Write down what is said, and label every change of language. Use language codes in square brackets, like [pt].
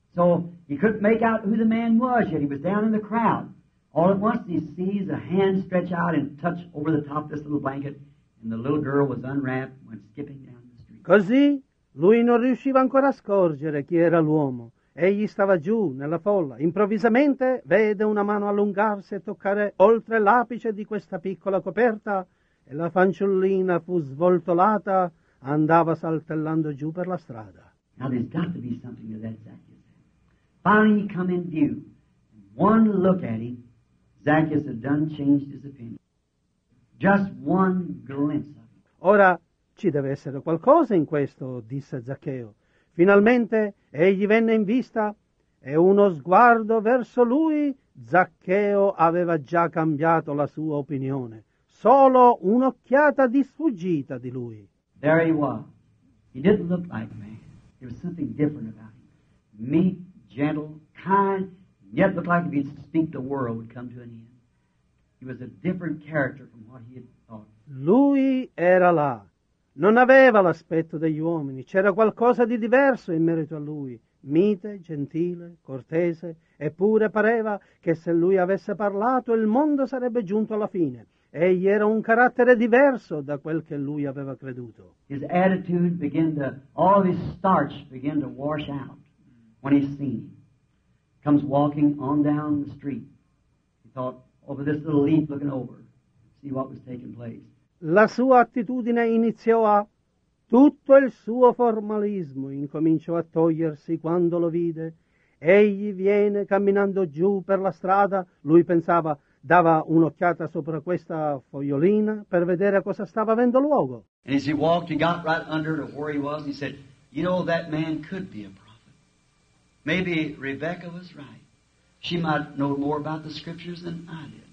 [en] So he couldn't make out who the man was, yet he was down in the crowd. All at once he sees a hand stretch out and touch over the top of this little blanket, and the little girl was unwrapped and went skipping down the street. [it] Così lui non riusciva ancora a scorgere chi era l'uomo. Egli stava giù nella folla. Improvvisamente vede una mano allungarsi e toccare oltre l'apice di questa piccola coperta e la fanciullina fu svoltolata, andava saltellando giù per la strada. [en] Now there's got to be something to that, Zacchaeus. Finally he come in view. One look at him, Zacchaeus had done changed his opinion. Just one glimpse of him. [it] Ora ci deve essere qualcosa in questo, disse Zaccheo. Finalmente egli venne in vista e uno sguardo verso lui, Zaccheo aveva già cambiato la sua opinione. Solo un'occhiata di sfuggita di lui. [en] There he was. He didn't look like man. There was something different about him. Meek, gentle, kind, yet looked like if he'd speak the world would come to an end. He was a different character from what he had thought. [it] Lui era là. Non aveva l'aspetto degli uomini, c'era qualcosa di diverso in merito a lui, mite, gentile, cortese, eppure pareva che se lui avesse parlato il mondo sarebbe giunto alla fine. Egli era un carattere diverso da quel che lui aveva creduto. [en] His attitude began to, all his starch began to wash out when he seen him. Comes walking on down the street. He thought, over this little leaf looking over, see what was taking place. [it] La sua attitudine iniziò a, tutto il suo formalismo incominciò a togliersi quando lo vide. Egli viene camminando giù per la strada, lui pensava, dava un'occhiata sopra questa fogliolina per vedere cosa stava avendo luogo. [en] And as he walked, he got right under to where he was, and he said, you know, that man could be a prophet. Maybe Rebecca was right. She might know more about the scriptures than I did.